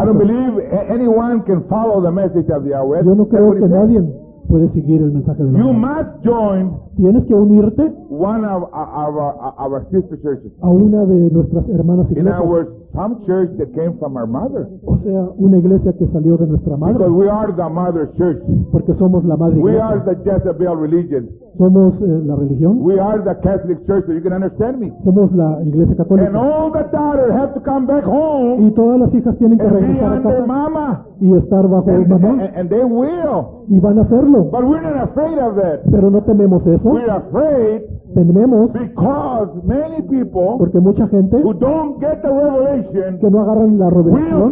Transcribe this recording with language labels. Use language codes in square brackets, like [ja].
[en] I don't believe anyone can follow the message of the hour. [es] Yo no creo que nadie puede seguir el mensaje de la [en] you must join. [es] Tienes que unirte [en] one of our sister churches. [es] A una de nuestras hermanas iglesias. [en] In other words, some church that came from our mother. [es] O sea, una iglesia que salió de nuestra madre. [en] Because we are the mother church. [es] Porque somos la madre iglesia. [en] We are the Jezebel religion. [es] Somos la religión. [en] We are the Catholic church, so you can understand me. [es] Somos la iglesia católica. [en] And all the daughters have to come back home. [es] Y todas las hijas tienen que regresar a casa. [en] Mama. [es] Y estar bajo [en] and, [es] mamá. [en] And they will. [es] Y van a hacerlo. [en] But we're not afraid of that. [es] Pero no tememos eso. [en] We're afraid. [es] Tememos. [en] Because many people. [es] Porque mucha gente. [en] Who don't get the revelation. [es] Que no agarran la revelación.